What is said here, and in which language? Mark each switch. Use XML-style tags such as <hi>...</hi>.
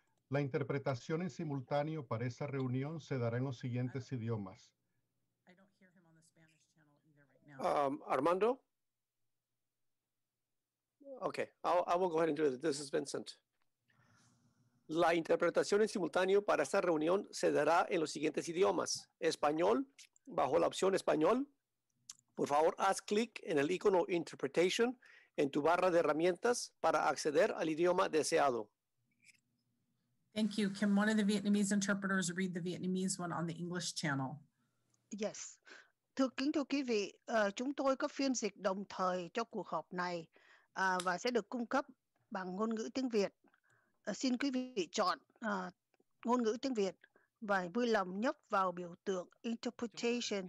<es>La interpretación en simultáneo para esta reunión se dará en los siguientes idiomas.</es> <en>I don't hear him on the Spanish channel either right now. Armando? Okay, I will go ahead and do it. This is Vincent.</en> <es>La interpretación en simultáneo para esta reunión se dará en los siguientes idiomas. Español, bajo la opción español. Por favor, haz clic en el icono Interpretation en tu barra de herramientas para acceder al idioma deseado.</es> <en>Thank you. Can one of the Vietnamese interpreters read the Vietnamese one on the English channel? Yes.</en> <vi>Thưa kính thưa quý vị, chúng tôi có phiên dịch đồng thời cho cuộc họp này. Và sẽ được cung cấp bằng ngôn ngữ tiếng Việt. Xin quý vị chọn ngôn ngữ tiếng Việt và vui lòng nhấp vào biểu tượng interpretation.</vi>